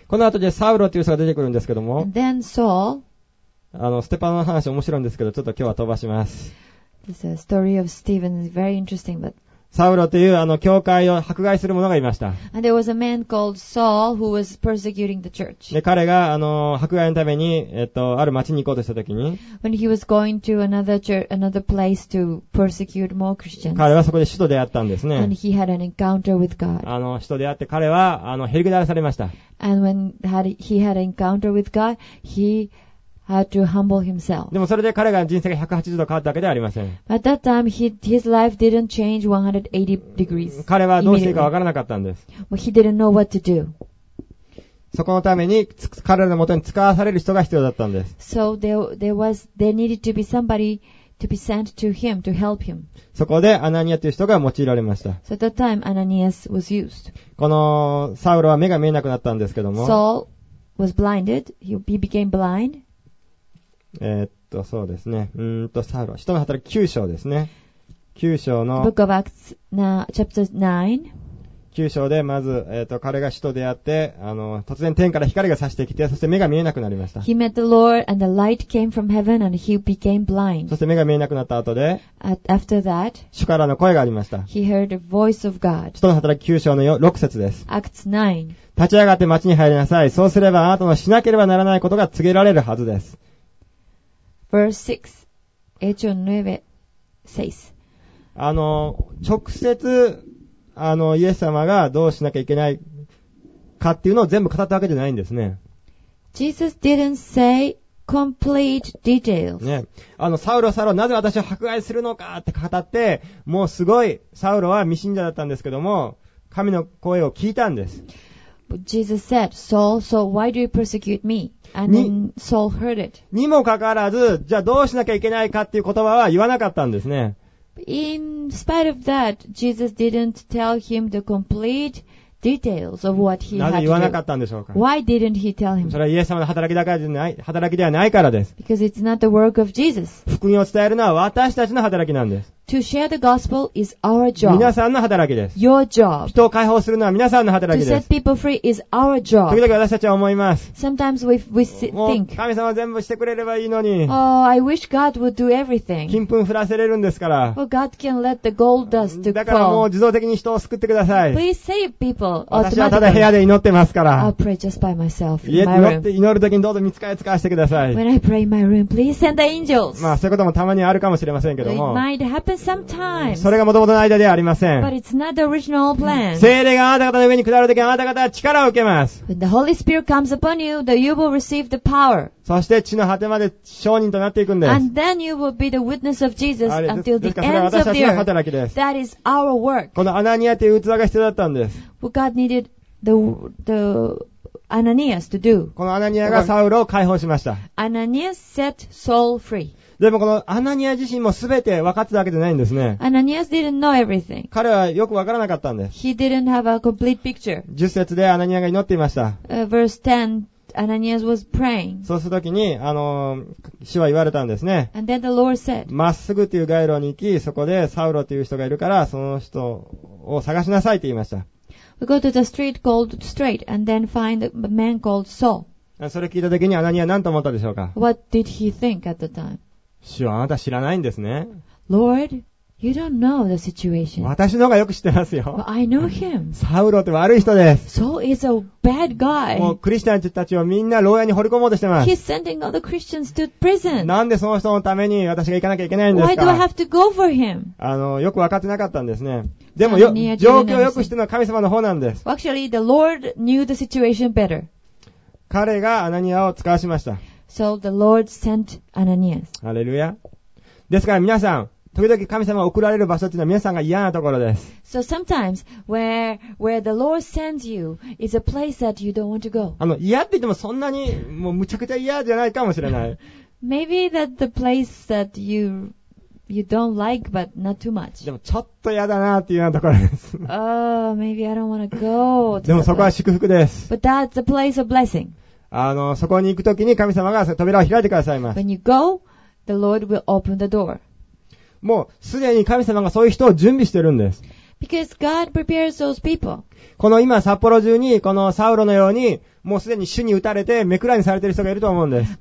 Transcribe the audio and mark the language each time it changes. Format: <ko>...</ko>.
<ja>この後でサウロという人が出てくるんですけども、</ja> <en>And then Saul,</en> <ja>ステパノの話面白いんですけど、ちょっと今日は飛ばします。</ja> <en>The story of Stephen is very interesting, but</en> <ja>サウロというあの教会を迫害する者がいました。</ja> <en>And there was a man called Saul who was persecuting the church.</en> <ja>で、彼があの迫害のために、ある町に行こうとしたときに、</ja> <en>When he was going to another church, another place to persecute more Christians.</en> <ja>彼はそこで主と出会ったんですね。</ja> <en>And he had an encounter with God.</en> <ja>あの主と出会って彼はあのへり下らされました。</ja> <en>And when he had an encounter with God, he had to humble himself.</en> <ja>でもそれで彼が人生が180度変わったわけではありません。</ja> <en>At that time, his life didn't change 180 degrees.</en> <ja>彼はどうしていいかわからなかったんです。</ja> <en>Well, he didn't know what to do.</en> <ja>そこのために彼らの元に使わされる人が必要だったんです。</ja> <en>So there needed to be somebody to be sent to him to help him.</en> <ja>そこでアナニアという人が用いられました。</ja> <en>So at that time, Ananias was used.</en> <ja>このサウロは目が見えなくなったんですけども。</ja> <en>Saul was blinded. He became blind.</en> <ja>そうですね。サウロ、使徒の働き9章ですね。 9章の、</ja> <en>Book of Acts, chapter 9.</en> <ja>9章で、まず、彼が使徒であって、突然天から光が差してきて、そして目が見えなくなりました。</ja> <en>He met the Lord and the light came from heaven and he became blind.</en> <ja>そして目が見えなくなった後で、</ja> <en>After that,</en> <ja>主からの声がありました。</ja> <en>He heard a voice of God.</en> <ja>使徒の働き9章の6節です。</ja> <en>Acts 9.</en> <ja>立ち上がって町に入りなさい。そうすればあなたのしなければならないことが告げられるはずです。</ja> <en>Verse 6, Hechos 9 says,</en> <ja>直接、イエス様がどうしなきゃいけないかっていうのを全部語ったわけじゃないんですね。</ja> <en>Jesus didn't say complete details.</en> <ja>ね。サウロ、サウロ、なぜ私を迫害するのかって語って、もうすごい、サウロは未信者だったんですけども、神の声を聞いたんです。</ja> <en>Jesus said, Saul, so why do you persecute me? And then Saul heard it.</en> <ja>にもかかわらず、じゃあどうしなきゃいけないかっていう言葉は言わなかったんですね。</ja> <en>In spite of that, Jesus didn't tell him the complete details of what he had to</en> <ja>do. なぜ言わなかったんでしょうか。</ja> <en>Why didn't he tell him?</en> <ja>それはイエス様の働きではないからです。</ja> <en>Because it's not the work of Jesus.</en> <ja>福音を伝えるのは私たちの働きなんです。</ja> <en>To share the gospel is our job.</en> <ja>皆さんの働きです。</ja> <en>Your job.</en> <ja>人を解放するのは皆さんの働きです。</ja> <en>To set people free is our job.</en> <ja>時々私たちは思います。</ja> <en>Sometimes we think.</en> <ja>神様全部してくれればいいのに。</ja> <en>Oh, I wish God would do everything.</en> <ja>金粉降らせれるんですから。</ja> <en>Well, God can let the gold dust to fall.</en> <ja>だからもう自動的に人を救ってください。</ja> <en>Please save people.</en> <ja>私はただ部屋で祈ってますから。</ja> <en>I'll pray just by myself.</en> <ja>家で祈る時にどうぞ御使いを使わせてください。</ja> <en>When I pray in my room, please send the angels.</en> <ja>まあそういうこともたまにあるかもしれませんけども。</ja> <en>It might happen. Sometimes.</en> <ja>それが元々の間ではありません。</ja> <en>But it's not the original plan.</en> <ja>聖霊があなた方の上に下るときあなた方は力を受けます。</ja> <en>When the Holy Spirit comes upon you, then you will receive the power.</en> <ja>そして地の果てまで証人となっていくんです。</ja> <en>And then you will be the witness of Jesus until the ends of the earth.</en> <ja>それが私たちの働きです。</ja> <en>That is our work.</en> <ja>このアナニアという器が必要だったんです。</ja> <en>Well, God needed the Ananias to do.</en> <ja>このアナニアがサウロを解放しました。</ja> <en>Ananias set Saul free.</en> <ja>でもこのアナニア自身もすべて分かってたわけじゃないんですね。</ja> <en>アナニアス didn't know everything.</en> <ja>彼はよく分からなかったんです。</ja> <en>He didn't have a complete picture.</en> <ja>十節でアナニアが祈っていました。</ja> <en>Verse 10, Ananias was praying.</en> <ja>そうするときに、主は言われたんですね。</ja> <en>And then the Lord said,</en> <ja>まっすぐという街路に行き、そこでサウロという人がいるから、その人を探しなさいと言いました。</ja> <en>We go to the street called Straight and then find a man called Saul.</en> <ja>それ聞いたときにアナニア何と思ったでしょうか。</ja> <en>What did he think at the time?</en> <ja>主はあなた知らないんですね。</ja> <en>Lord, you don't know the situation.</en> <ja>私の方がよく知ってますよ。</ja> <en>But I know him.</en> <ja>サウロって悪い人です。</ja> <en>Saul is a bad guy.</en> <ja>もうクリスチャンたちをみんな牢屋に掘り込もうとしてます。</ja> <en>He's sending all the Christians to prison.</en> <ja>なんでその人のために私が行かなきゃいけないんですか。</ja> <en>Why do I have to go for him?</en> <ja>よく分かってなかったんですね。でも状況をよく知ってるのは神様の方なんです。</ja> <en>Actually, the Lord knew the situation better.</en> <ja>彼がアナニアを使わしました。</ja> <en>So the Lord sent Ananias.</en> <ja>ハレルヤ。ですから皆さん、時々神様が送られる場所というのは皆さんが嫌なところです。</ja> <en>So sometimes where the Lord sends you is a place that you don't want to go.</en> <ja>嫌って言ってもそんなにもうむちゃくちゃ嫌じゃないかもしれない。</ja> <en>Maybe that the place that you don't like but not too much.</en> <ja>でもちょっと嫌だなっていうようなところです。</ja> <en>maybe I don't want to go.</en> <ja>でもそこは祝福です。</ja> <en>But that's a place of blessing.</en> <ja>そこに行くときに神様が扉を開いてくださいます。</ja> <en>When you go, the Lord will open the door.</en> <ja>もうすでに神様がそういう人を準備してるんです。</ja> <en>because God prepares those people.</en> <ja>この今札幌中にこのサウロのようにもうすでに主に打たれて目くらにされている人がいると思うんです。</ja>